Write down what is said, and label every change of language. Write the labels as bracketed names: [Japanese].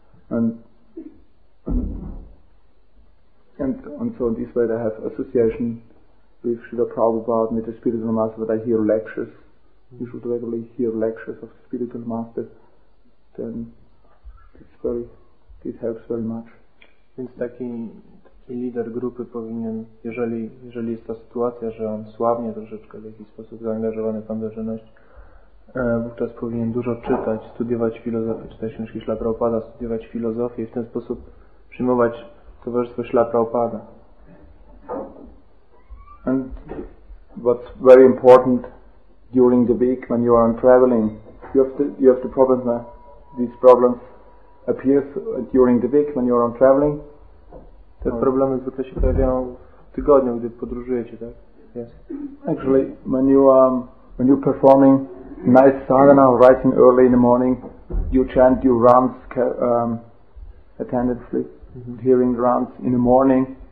[English] And so in this way they have association with Srila Prabhupada, with the spiritual master, that I hear lectures. You should regularly hear lectures of the spiritual master, then it helps very much. [Polish] Więc taki lider grupy powinien, jeżeli jest ta sytuacja, że on słabnie troszeczkę w jakiś sposób zaangażowany w angażowaność, wówczas powinien dużo czytać, studiować filozofię, czytać książki Śla Prabhupada, studiować filozofię i w ten sposób przyjmować towarzystwo Śla Prabhupada. [English] And what's very important during the week when you are on traveling, you have the problems, these problems appear during the week when you are on traveling. [Polish] Te problemy zwykle się pojawiają w tygodniu, gdy podróżujecie, tak? [English] Yes. Actually, when you performing nice sadhana, rising early in the morning, you chant your rounds attentively, hearing rounds in the morning,